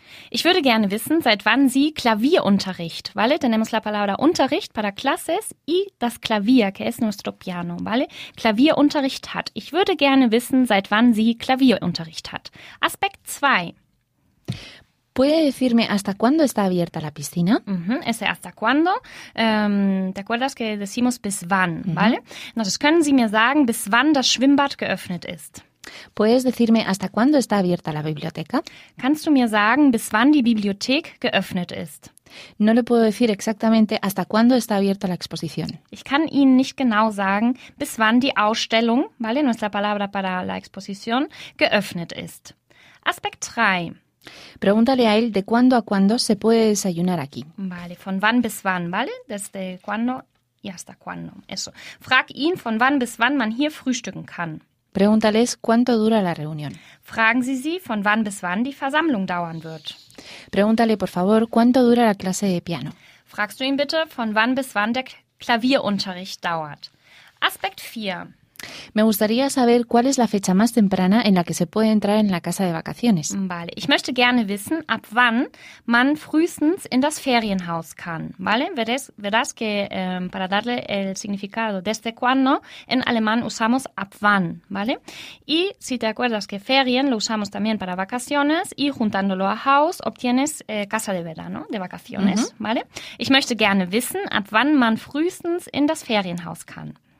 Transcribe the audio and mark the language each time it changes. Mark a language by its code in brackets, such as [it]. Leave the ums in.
[de] Ich würde gerne wissen, seit wann sie Klavierunterricht, [es] ¿vale? Tenemos la palabra unterricht para clases y das Klavier, que es nuestro piano, ¿vale? [de] Klavierunterricht hat. Ich würde gerne wissen, seit wann sie Klavierunterricht hat. [es] Aspekt 2. ¿Puede decirme hasta cuándo está abierta la piscina? Uh -huh. Ese hasta cuándo. Um, ¿Te acuerdas que decimos bis wann, uh -huh. vale? [de] Entonces, ¿können Sie mir sagen bis wann das Schwimmbad geöffnet ist? [es] ¿Puedes decirme hasta cuándo está abierta la biblioteca? [de] ¿Kannst du mir sagen bis wann die Bibliothek geöffnet ist? [es] No le puedo decir exactamente hasta cuándo está abierta la exposición. [de] Ich kann Ihnen nicht genau sagen, bis wann die Ausstellung, [es] vale, nuestra palabra para la exposición, [de] geöffnet ist. Aspekt 3. [es] Pregúntale a él de cuándo a cuándo se puede desayunar aquí. Vale, [de] von wann bis wann, ¿vale? [es] Desde cuándo y hasta cuándo. Eso. [de] Frag ihn von wann bis wann man hier frühstücken kann. [es] Pregúntales cuánto dura la reunión. [de] Fragen Sie sie von wann bis wann die Versammlung dauern wird. [es] Pregúntale por favor cuánto dura la clase de piano. [de] Fragst du ihn bitte von wann bis wann der Klavierunterricht dauert. Aspekt 4. [es] Me gustaría saber cuál es la fecha más temprana en la que se puede entrar en la casa de vacaciones. Vale, [de] ich möchte gerne wissen, ab wann man frühestens in das Ferienhaus kann. [es] Vale, verás, verás que eh, para darle el significado, desde cuándo en alemán usamos ab wann. Vale, y si te acuerdas que Ferien lo usamos también para vacaciones y juntándolo a house obtienes eh, casa de verano, de vacaciones. Uh -huh. [de] Vale, ich möchte gerne wissen, ab wann man frühestens in das Ferienhaus kann.